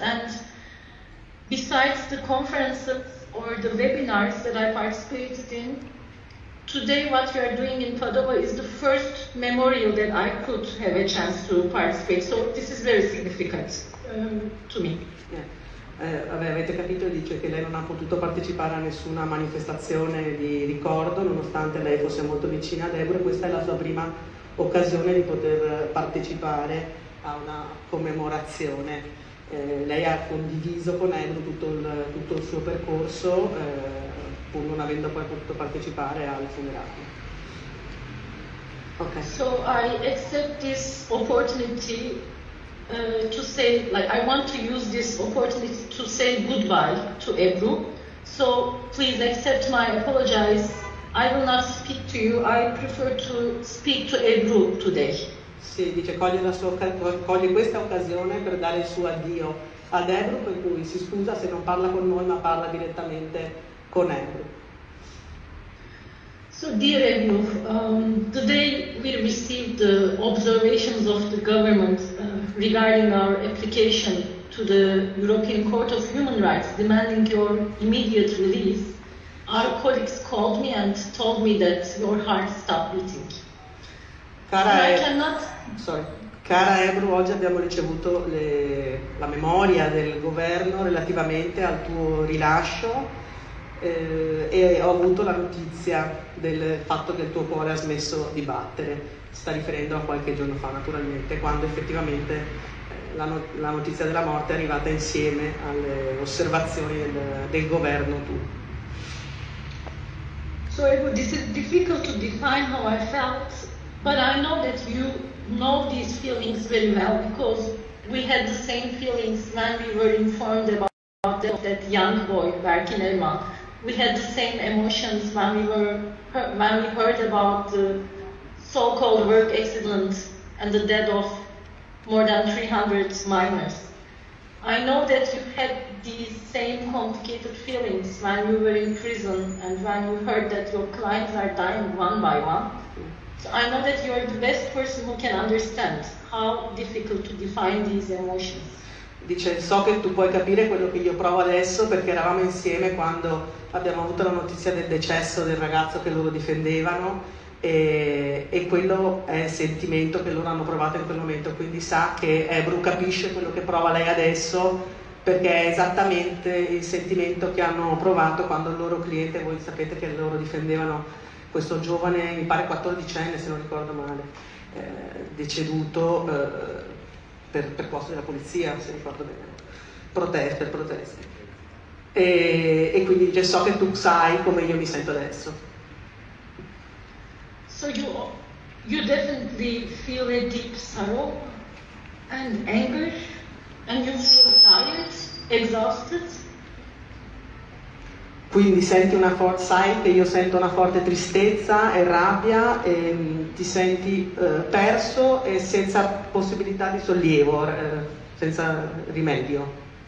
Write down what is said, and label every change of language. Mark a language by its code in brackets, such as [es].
[en] And besides the conferences or the webinars that I participated in, today what we are doing in Padova is the first memorial that I could have a chance to participate. So this is very significant to me. [it] Avete capito, dice che lei non ha potuto partecipare a nessuna manifestazione di ricordo, nonostante lei fosse molto vicina ad Ebru. Questa è la sua prima occasione di poter partecipare a una commemorazione. Lei ha condiviso con Ebru tutto il suo percorso, pur non avendo poi potuto partecipare al funerale. [en] Okay. So I accept this opportunity to say, I want to use this opportunity to say goodbye to Ebru. So please accept my apologies. I will not speak to you. I prefer to speak to Ebru today. [it] Sì, dice, coglie questa occasione per dare il suo addio ad Ebru, per cui si scusa se non parla con noi, ma parla direttamente con Ebru. [en] So, dear Ebru, today we received the observations of the government regarding our application to the European Court of Human Rights demanding your immediate release. Our colleagues called me and told me that your heart stopped beating. [it] Cara Ebru, oggi abbiamo ricevuto la memoria del governo relativamente al tuo rilascio e ho avuto la notizia del fatto che il tuo cuore ha smesso di battere. Si sta riferendo a qualche giorno fa, naturalmente, quando effettivamente la notizia della morte è arrivata insieme alle osservazioni del governo tuo. [en] So Ebru, this is difficult to define how I felt. But I know that you know these feelings very well because we had the same feelings when we were informed about that young boy, Berkin Elman. We had the same emotions when we heard about the so-called work accident and the death of more than 300 miners. I know that you had these same complicated feelings when you were in prison and when you heard that your clients are dying one by one. So I know that you are the best person who can understand how difficult to define these emotions. [it] Dice, so che tu puoi capire quello che io provo adesso perché eravamo insieme quando abbiamo avuto la notizia del decesso del ragazzo che loro difendevano e quello è il sentimento che loro hanno provato in quel momento, quindi sa che Ebru capisce quello che prova lei adesso perché è esattamente il sentimento che hanno provato quando il loro cliente, voi sapete che loro difendevano questo giovane, mi pare 14enne se non ricordo male, deceduto per posto della polizia, se ricordo bene, per proteste. E quindi dice, so che tu sai come io mi sento adesso. [en] So you definitely feel a deep sorrow and anger, and you feel tired, exhausted. [it] Quindi senti una forte, sai che io sento una forte tristezza e rabbia e ti senti perso e senza possibilità di sollievo, senza rimedio.